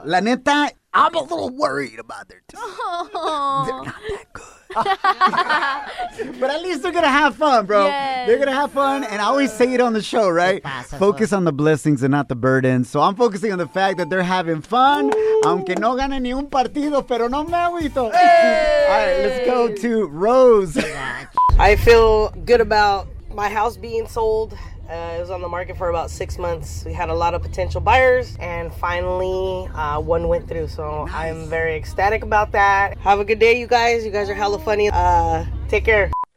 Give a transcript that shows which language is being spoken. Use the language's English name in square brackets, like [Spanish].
[Spanish] La neta, [English] I'm a little worried about their team. Oh. They're not that good. But at least they're gonna have fun, bro. Yes. They're gonna have fun, and I always say it on the show, right? Focus on the blessings and not the burdens. So I'm focusing on the fact that they're having fun. Ooh. [Spanish] Aunque no gane ni un partido, pero no me agüito. [English] Hey. All right, let's go to Rose. I feel good about my house being sold. It was on the market for about 6 months. We had a lot of potential buyers, and finally, one went through. So nice. I'm very ecstatic about that. Have a good day, you guys. You guys are hella funny. Take care.